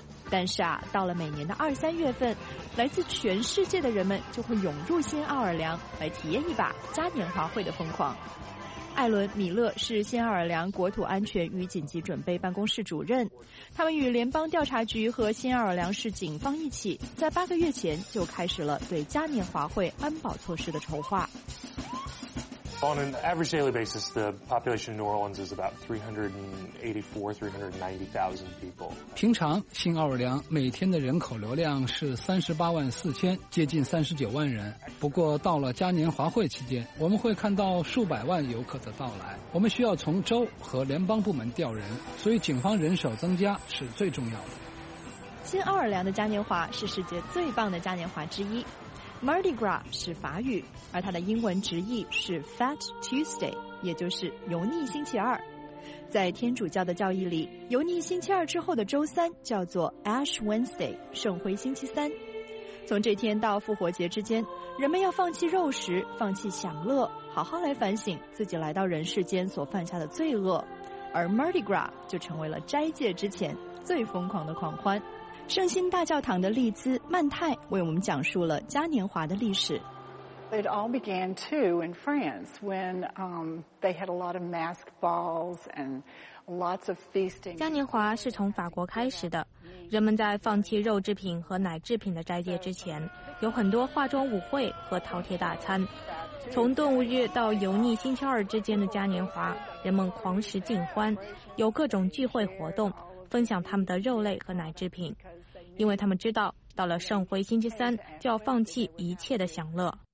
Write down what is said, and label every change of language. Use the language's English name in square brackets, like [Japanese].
[Chinese] 但是啊，到了每年的2、3月份，来自全世界的人们就会涌入新奥尔良来体验一把嘉年华会的疯狂。艾伦·米勒是新奥尔良国土安全与紧急准备办公室主任，他们与联邦调查局和新奥尔良市警方一起，在8个月前就开始了对嘉年华会安保措施的筹划。 [English] On an average daily basis, the population in New Orleans is about 384,000-390,000 people. [Chinese] 平常新奥尔良每天的人口流量是384,000，接近39万人。不过到了嘉年华会期间，我们会看到数百万游客的到来。我们需要从州和联邦部门调人，所以警方人手增加是最重要的。新奥尔良的嘉年华是世界最棒的嘉年华之一。 Mardi Gras 是法语，而它的英文直译是 Fat Tuesday， 也就是油腻星期二。在天主教的教义里，油腻星期二之后的周三叫做 Ash Wednesday， 圣灰星期三。从这天到复活节之间，人们要放弃肉食，放弃享乐，好好来反省自己来到人世间所犯下的罪恶。而 Mardi Gras 就成为了斋戒之前最疯狂的狂欢。圣心大教堂的利兹·曼泰为我们讲述了嘉年华的历史。 [English] It all began too in France when they had a lot of mask balls and lots of feasting. [Chinese] 嘉年华是从法国开始的，人们在放弃肉制品和奶制品的斋戒之前，有很多化妆舞会和饕餮大餐。从顿悟日到油腻星期二之间的嘉年华，人们狂食尽欢，有各种聚会活动，分享他们的肉类和奶制品，因为他们知道到了圣辉星期三就要放弃一切的享乐。